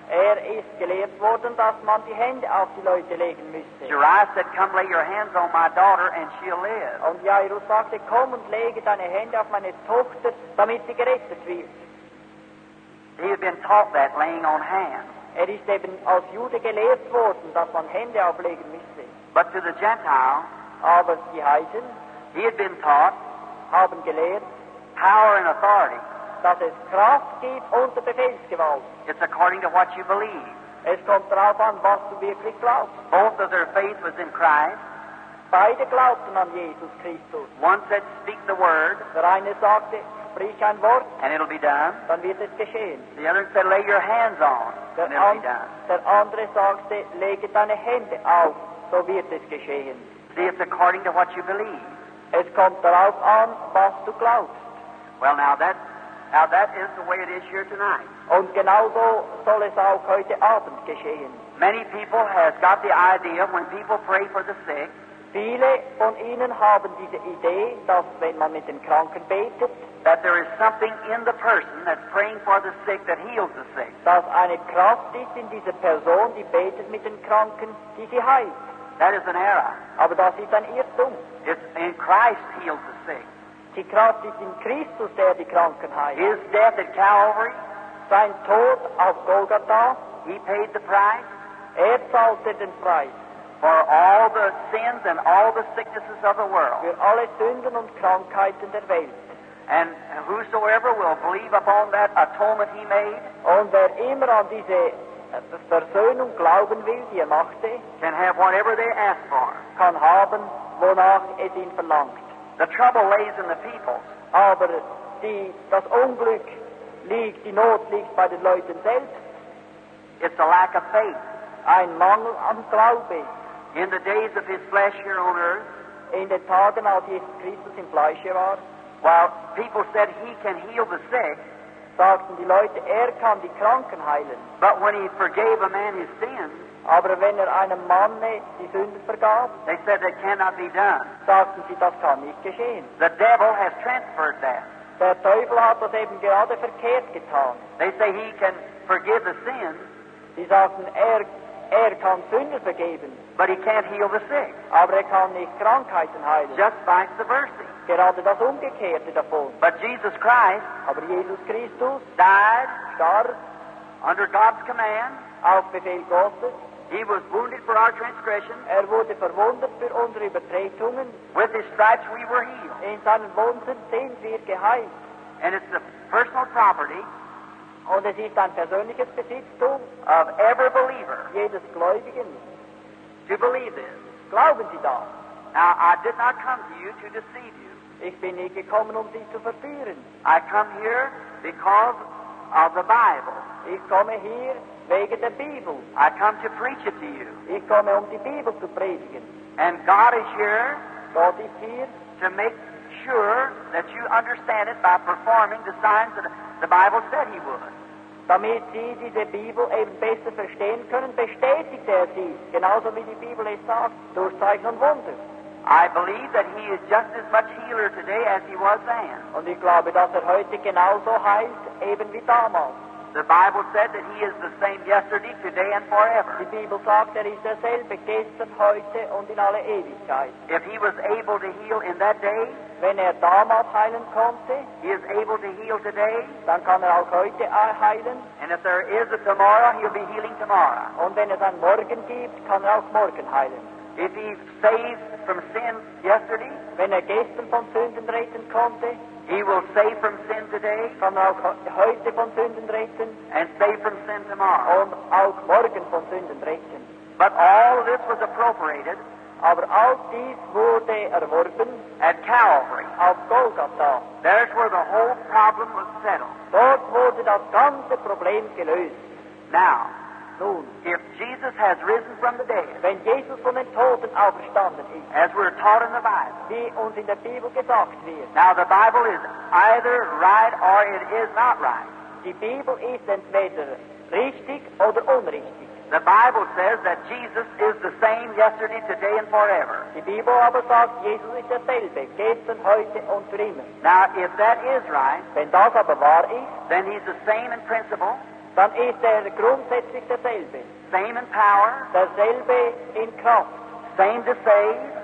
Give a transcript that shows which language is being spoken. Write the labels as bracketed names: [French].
[German] Er ist gelehrt worden, dass man die Hände auf die Leute legen müsste. [English] Jairus said, come lay your hands on my daughter and she'll live. [German] Und Jairus sagte, komm und lege deine Hände auf meine Tochter, damit sie gerettet wird. [English] He had been taught that, laying on hands. [German] Er ist eben als Jude gelehrt worden, dass man Hände auflegen müsste. [English] But to the Gentile, [German] aber sie heißen, [English] he had been taught, [German] haben gelehrt, [English] power and authority, [German] dass es Kraft gibt und Befehlsgewalt. [English] It's according to what you believe. [German] Es kommt darauf an, was du wirklich glaubst. [English] Both of their faith was in Christ. [German] Beide glaubten an Jesus Christus. [English] One said, speak the word. [German] Der eine sagte, sprich ein Wort. [English] And it'll be done. [German] Dann wird es geschehen. [English] The other said, lay your hands on. [German] Der andere sagte, lege deine Hände auf. So wird es geschehen. [English] See, it's according to what you believe. [German] Es kommt darauf an, was du glaubst. [English] Well, now that is the way it is here tonight. [German] Und genauso soll es auch heute Abend geschehen. [English] Many people have got the idea when people pray for the sick. [German] Viele von ihnen haben diese Idee, dass wenn man mit den Kranken betet, [English] that there is something in the person that's praying for the sick that heals the sick. [German] Dass eine Kraft ist in dieser Person, die betet mit den Kranken, die sie heilt. [English] That is an error. [German] Aber das ist ein Irrtum. [English] It's in Christ heals the sick. [German] Die Kraft ist in Christus, der die Kranken heilt. [English] His death at Calvary. [German] Sein Tod auf Golgatha. [English] He paid the price. [German] Er zahlte den Preis. [English] For all the sins and all the sicknesses of the world. [German] Für alle Sünden und Krankheiten der Welt. [English] And whosoever will believe upon that atonement he made. [German] Und wer immer an diese Versöhnung glauben will, die er machte. [English] Can have whatever they ask for. [German] Kann haben, wonach es ihn verlangt. [English] The trouble lays in the people. [German] Aber das Unglück liegt, die Not liegt bei den Leuten selbst. [English] It's a lack of faith. [German] Ein Mangel am Glaube. [English] In the days of his flesh here on earth. [German] In den Tagen, als Jesus Christus im Fleisch war. [English] While people said he can heal the sick. [German] Sagten die Leute, er kann die Kranken heilen. [English] But when he forgave a man his sins. [German] Aber wenn er einem Mann die Sünde vergab, [English] they said that cannot be done. [German] Sagten sie, das kann nicht geschehen. [English] The devil has transferred that. [German] Der Teufel hat das eben gerade verkehrt getan. [English] They say he can forgive the sin. [German] Sie sagten, er kann Sünde vergeben. [English] But he can't heal the sick. [German] Aber er kann nicht Krankheiten heilen. [English] Just vice versa. [German] Gerade das Umgekehrte davon. [English] But Jesus Christ. [German] Aber Jesus Christus. [English] Died. [German] Starb. [English] Under God's command. [German] Auf Befehl Gottes. [English] He was wounded for our transgressions. [German] Er wurde verwundet für unsere Übertretungen. [English] With his stripes we were healed. [German] In seinen Wunden sind wir geheilt. [English] And it's the personal property. [German] Und es ist ein persönliches Besitztum. [English] Of every believer. [German] Jedes Gläubigen. [English] To believe this. [German] Glauben Sie das? [English] Now I did not come to you to deceive you. [German] Ich bin nicht gekommen, um Sie zu verführen. [English] I come here because of the Bible. [German] Ich komme hier wegen der Bibel. [English] I come to preach it to you. [German] Ich komme, um die Bibel zu predigen. [English] And God is here. [German] Gott ist hier. [English] To make sure that you understand it by performing the signs that the Bible said he would. [German] Damit Sie diese Bibel eben besser verstehen können, bestätigt er sie, genauso wie die Bibel es sagt, durch Zeichen und Wunder. [English] I believe that he is just as much healer today as he was then. [German] Und ich glaube, dass er heute genauso heilt, eben wie damals. [English] The Bible said that he is the same yesterday, today and forever. [German] Die Bibel sagt, er ist derselbe gestern, heute und in alle Ewigkeit. [English] If he was able to heal in that day, [German] wenn er damals heilen konnte, [English] he is able to heal today, [German] dann kann er auch heute heilen. [English] And if there is a tomorrow, he'll be healing tomorrow. [German] Und wenn es einen Morgen gibt, kann er auch morgen heilen. [English] If he saved from sin yesterday, [German] wenn er gestern von Sünden retten konnte, [English] he will save from sin today, [German] kann er auch heute von Sünden retten, [English] and save from sin tomorrow, [German] und auch morgen von Sünden retten. [English] But all this was appropriated. [German] Aber all dies wurde erworben. [English] At Calvary. [German] Auf Golgatha. [English] There's where the whole problem was settled. [German] Dort wurde das ganze Problem gelöst. [English] Now. [German] Nun. [English] If Jesus has risen from the dead. [German] Wenn Jesus von den Toten auferstanden ist. [English] As we're taught in the Bible. [German] Wie uns in der Bibel gesagt wird. [English] Now the Bible is either right or it is not right. [German] Die Bibel ist entweder richtig oder unrichtig. [English] The Bible says that Jesus is the same yesterday, today, and forever. [German] Die Bibel aber sagt, Jesus ist derselbe, gestern, heute und für immer. [English] Now, if that is right, [German] wenn das aber wahr ist, [English] then he's the same in principle, [German] dann ist grundsätzlich derselbe. [English] Same in power, [German] derselbe in Kraft. [English] Same to save,